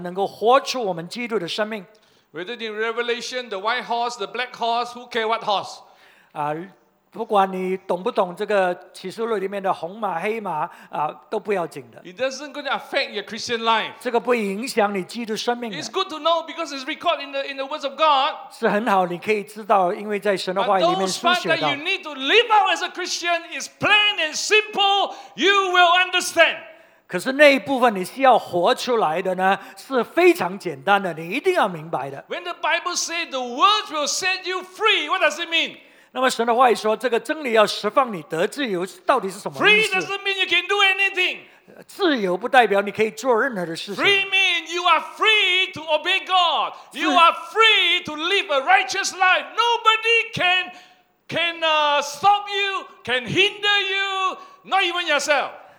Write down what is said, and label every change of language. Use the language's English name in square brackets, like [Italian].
[Chinese] 那部分可能重要，或许它不是这么重要，重要是我们能够活出我们基督的生命。 [English] Whether in Revelation, the white horse, the black horse, who care what horse? [Chinese] 不管你懂不懂这个启示录里面的红马、黑马，都不要紧的。 [English] It doesn't going to affect your Christian life. [Chinese] 这个不影响你基督生命。 [English] It's good to know because it's recorded in the words of God. [Chinese] 是很好，你可以知道，因为在神的话里面书写到。 [English] But those parts that you need to live out as a Christian is plain and simple. You will understand. [Chinese] 可是那一部分你是要活出来的呢，是非常简单的，你一定要明白的。 [English] When the Bible says the words will set you free, what does it mean? [Chinese] 那么神的话语说，这个真理要释放你得自由，到底是什么意思？ [English] Free doesn't mean you can do anything. [Chinese] 自由不代表你可以做任何的事。 [English] Free means you are free to obey God. You are free to live a righteous life. Nobody can stop you, can hinder you, not even yourself.